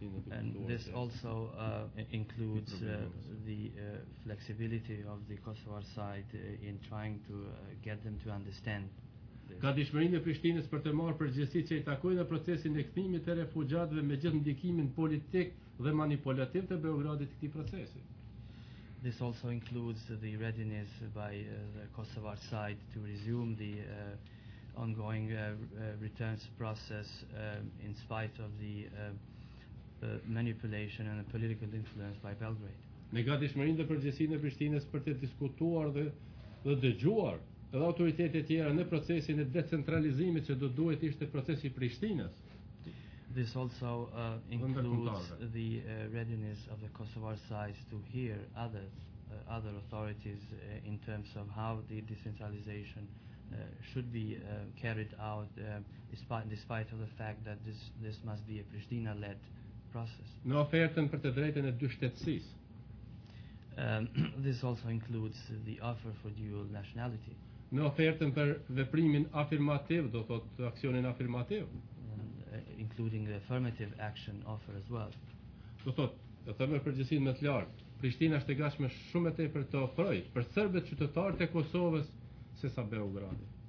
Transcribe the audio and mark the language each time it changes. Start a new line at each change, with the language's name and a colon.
English: And this also includes the flexibility of the Kosovar side in trying to get them to understand.
Albanian: Gatishmërinë e Prishtinës për të marrë përgjegjësi që i takojë në procesin e kthimit të refugjatëve me gjithë ndikimin politik dhe manipulativ të Beogradit të këtij procesi.
English: This also includes the readiness by the Kosovar side to resume the ongoing returns process in spite of the manipulation and the political influence by Belgrade.
Albanian: Me gatishmërinë dhe përgjegjësinë e Prishtinës për të diskutuar dhe dëgjuar edhe autoritetet tjera në procesin e decentralizimit që do duhet ishte procesi i Prishtinës.
English: This also includes the readiness of the Kosovar side to hear others, other authorities in terms of how the decentralization should be carried out despite of the fact that this must be a Prishtina-led process.
Albanian: Në ofertën për të drejtën e dy shtetësisë.
English: This also includes the offer for dual nationality.
Albanian: Në ofertën për veprimin afirmativ, do thot aksionin afirmativ.
English: Including the affirmative action offer as well.
Albanian: Do thot, e thëmë e përgjësin më të lartë, Prishtina është e gashme shumë e tepër të ofrojë për sërbet qytetarët e Kosovës se sa Beogradi.